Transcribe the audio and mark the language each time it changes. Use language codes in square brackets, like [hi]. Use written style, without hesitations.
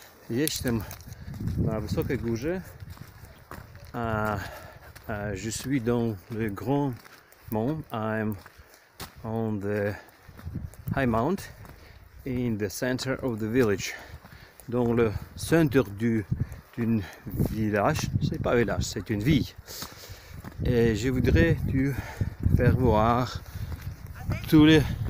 [pl] Jestem na wysokiej górze, a [fr] je suis dans le grand mont. [en] I'm on the high mount in the center of the village. [fr] Dans le centre d'un village, c'est pas un village, c'est une ville. Et je voudrais te faire voir tous les.